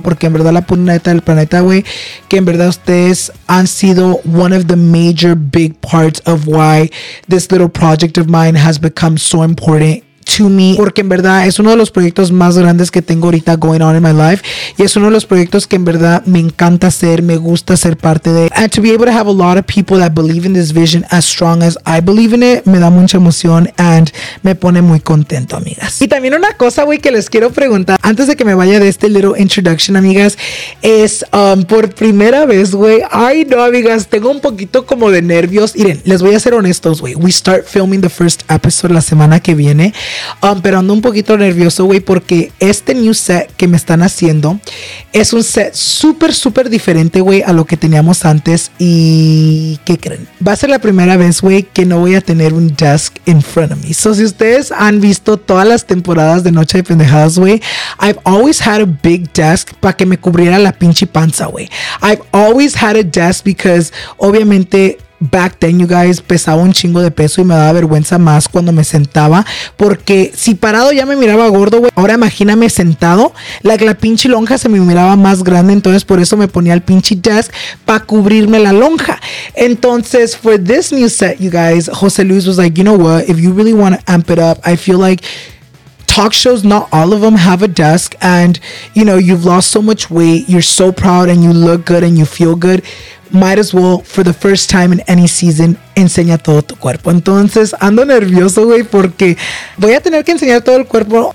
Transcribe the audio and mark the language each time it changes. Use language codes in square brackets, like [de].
[es] Porque en verdad la puneta del planeta, güey, que en verdad ustedes han sido one of the major big parts of why this little project of mine has become so important to me, porque en verdad es uno de los proyectos más grandes que tengo ahorita going on in my life, y es uno de los proyectos que en verdad me encanta hacer, me gusta ser parte de. [en] And to be able to have a lot of people that believe in this vision as strong as I believe in it, me da mucha emoción and me pone muy contento, amigas. [es] Y también una cosa, güey, que les quiero preguntar antes de que me vaya de este little introduction, amigas, es por primera vez, güey, ay no, amigas, tengo un poquito como de nervios. Miren, les voy a ser honestos, güey, we start filming the first episode la semana que viene. Pero ando un poquito nervioso, güey, porque este new set que me están haciendo es un set súper, súper diferente, güey, a lo que teníamos antes. Y ¿qué creen? Va a ser la primera vez, güey, que no voy a tener un desk in front of me. So, si ustedes han visto todas las temporadas de Noche de Pendejadas, güey, I've always had a big desk para que me cubriera la pinche panza, güey. I've always had a desk because, obviamente, back then, you guys, pesaba un chingo de peso y me daba vergüenza más cuando me sentaba, porque si parado ya me miraba gordo, güey. Ahora imagíname sentado, la pinche lonja se me miraba más grande. Entonces por eso me ponía el pinche desk para cubrirme la lonja. [en] Entonces for this new set, you guys, José Luis was like, you know what, if you really want to amp it up, I feel like talk shows, not all of them have a desk, and you know, you've lost so much weight, you're so proud and you look good and you feel good, might as well, for the first time in any season, enseña todo tu cuerpo. [es] Entonces, ando nervioso, güey, porque voy a tener que enseñar todo el cuerpo.